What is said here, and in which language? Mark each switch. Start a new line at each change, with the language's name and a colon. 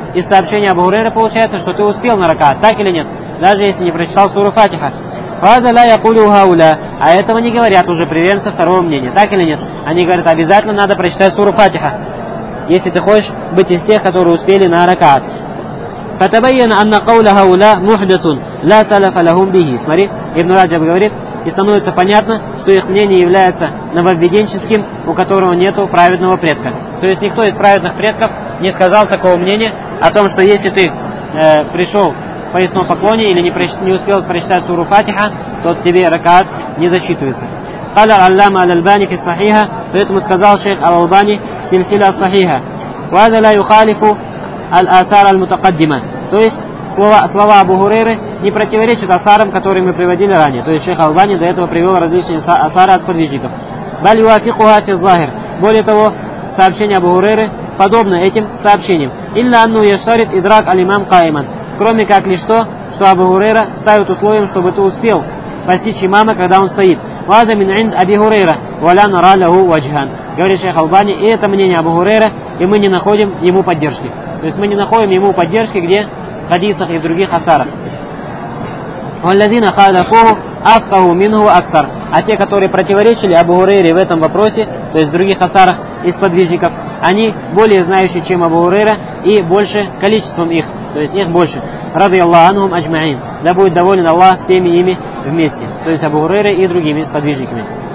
Russian: Из сообщения Абу Хурейра получается, что ты успел на ракаат, так или нет, даже если не прочитал суру Фатиха.
Arabic: Фаза ля якулю хауля.
Russian: А этого не говорят уже приверженцы второго мнения, так или нет? Они говорят, обязательно надо прочитать суру Фатиха, если ты хочешь быть из тех, которые успели на ракаат.
Arabic: فتبين أن قول هؤلاء محدث لا سلف لهم به.
Russian: Смотри, Ибн Раджаб говорит, и становится понятно, что их мнение является нововведенческим, у которого нету праведного предка. То есть никто из праведных предков не сказал такого мнения о том, что если ты пришел в поясном поклоне или не успел прочитать суру Фатиха, то тебе ракаат не зачитывается.
Arabic: قال العلامة الألباني في الصحيحة فإذا сказал شيخ الألباني سلسلة صحيحة وهذا لا يخالف الآثار المتقدمة.
Russian: То есть слова Абу Хурейры не противоречат асарам, которые мы приводили ранее. То есть шейх Албани до этого привел различные асары от сподвижников.
Arabic: بل يوافقها في الظاهر.
Russian: Более того, сообщение Абу Хурейры подобно этим сообщениям.
Arabic: إلا أنه يشترط إدراك الإمام قائما.
Russian: Кроме как лишь то, что Абу Хурейра ставит условием, чтобы ты успел постичь имама, когда он стоит.
Arabic: وهذا من عند أبي هريرة ولا نرى له وجها.
Russian: Говорит шейх Албани, и это мнение Абу Хурейра, и мы не находим ему поддержки. То есть мы не находим ему поддержки где? В хадисах и в других асарах.
Arabic: والذين خالفوه أفقه منه أكثر.
Russian: А те, которые противоречили Абу Хурейре в этом вопросе, то есть в других асарах из подвижников, они более знающие, чем Абу Хурейра, и больше количеством их, то есть их больше.
Arabic: رضي الله عنهم أجمعين.
Russian: Да будет доволен Аллах всеми ими вместе, то есть Абу Хурейра и другими сподвижниками.